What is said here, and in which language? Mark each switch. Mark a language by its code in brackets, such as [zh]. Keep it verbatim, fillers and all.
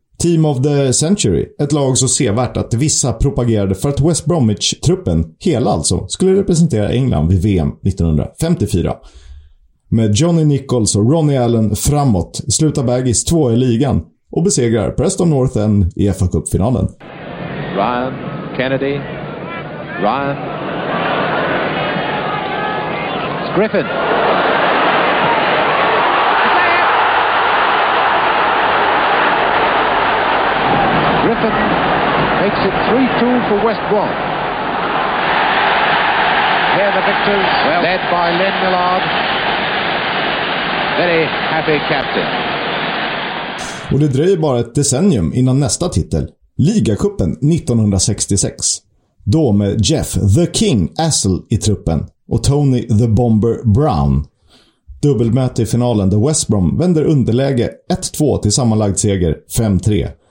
[sv] Team of the Century, ett lag så sevärt att vissa propagerade för att West Bromwich-truppen, hela alltså, skulle representera England vid V M nittonhundrafemtiofyra. Med Johnny Nichols och Ronnie Allen framåt slutar Baggies två i ligan och besegrar Preston North End i F A-cupfinalen. [en] Ryan Kennedy, Ryan, it's Griffin. Griffin makes it three two for West Brom. Here are the victors, well, led by Len Millard, very happy captain. [sv] Och det dröjer bara ett decennium innan nästa titel. Ligacupen nittonhundrasextiosex. Då med Jeff The King Assel i truppen och Tony The Bomber Brown. Dubbelmöte i finalen där West Brom vänder underläge ett två till sammanlagd seger fem tre.